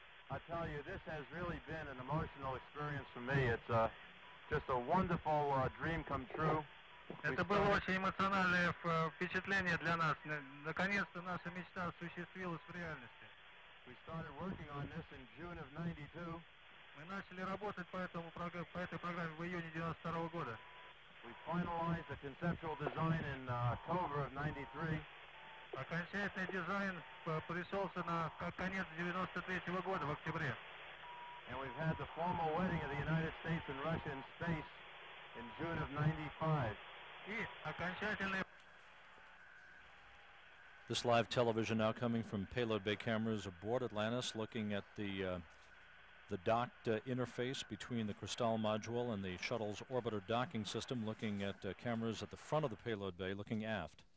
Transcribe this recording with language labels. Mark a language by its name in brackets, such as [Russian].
[English] I tell you, this has really been an emotional experience for me. It's just a wonderful dream come true. [Russian] Это было очень эмоциональное впечатление для нас. Наконец-то наша мечта осуществилась в реальности. [English] We started working on this in June of 92. [Russian] Мы начали работать по этой программе в июне 92 года. [English] We finalized the conceptual design in October of 93. [Russian] Окончательный дизайн пришелся на конец 93 года, в октябре. [English] And we've had the formal wedding of the United States and Russia in space in June of 95. [Russian] И окончательный... [English] This live television now coming from payload bay cameras aboard Atlantis, looking at the docked interface between the Cristal module and the shuttle's orbiter docking system, looking at cameras at the front of the payload bay, looking aft.